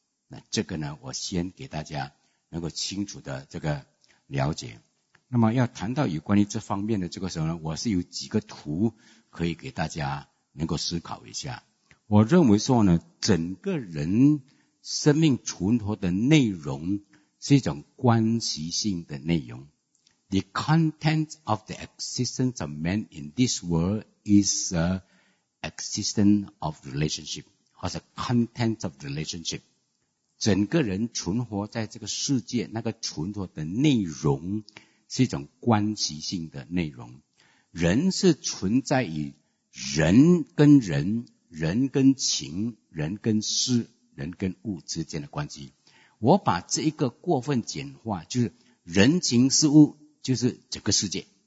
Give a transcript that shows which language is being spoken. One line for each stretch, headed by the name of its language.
Chinese: 那这个呢，我先给大家能够清楚的这个了解。那么要谈到有关于这方面的这个时候呢，我是有几个图可以给大家能够思考一下。我认为说呢，整个人生命存活的内容是一种关系性的内容。
English: The content of the existence of man in this world is the existence of relationship,
Chinese: 或者
English: content of relationship,
Chinese: 整个人存活在这个世界，那个存活的内容是一种关系性的内容。人是存在于人跟人、人跟情、人跟事、人跟物之间的关系。我把这一个过分简化，就是人情事物就是整个世界。